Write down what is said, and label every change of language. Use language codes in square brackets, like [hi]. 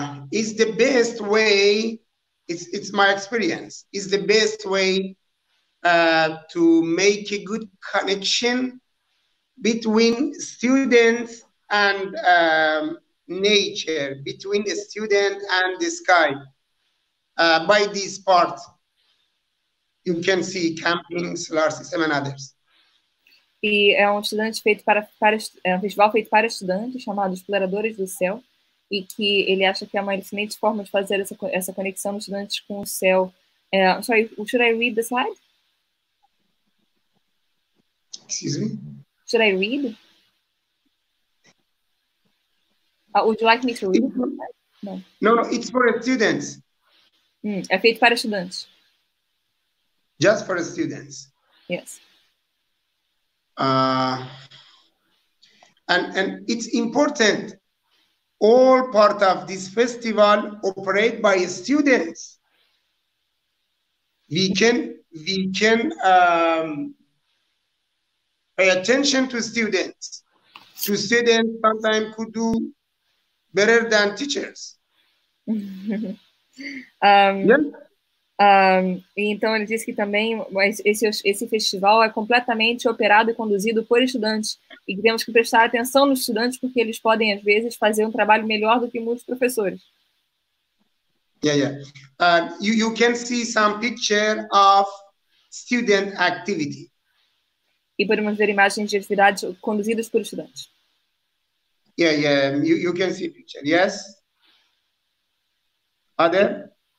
[en] It's the best way, it's my experience, it's the best way to make a good connection between students and nature, between the student and the sky, by this part. You can see camping, solar system and others. [pt] E é um estudante feito um festival feito para estudantes chamado Exploradores do Céu, e que ele acha que é uma excelente forma de fazer essa conexão dos estudantes com o céu. [en] Sorry, should I read the slide? Excuse me? Should I read? Would you like me to read? No, it's for students. [pt] É feito para estudantes. [en] Just for students. Yes. And it's important, all part of this festival operate by students. We can pay attention to students. So students sometimes could do better than teachers. [pt] Então ele disse que também esse festival é completamente operado e conduzido por estudantes e que temos que prestar atenção nos estudantes porque eles podem às vezes fazer um trabalho melhor do que muitos professores. [en] You can see some picture of student activity. [pt] E podemos ver imagens de atividades conduzidas por estudantes. [en] You can see picture, yes? Other?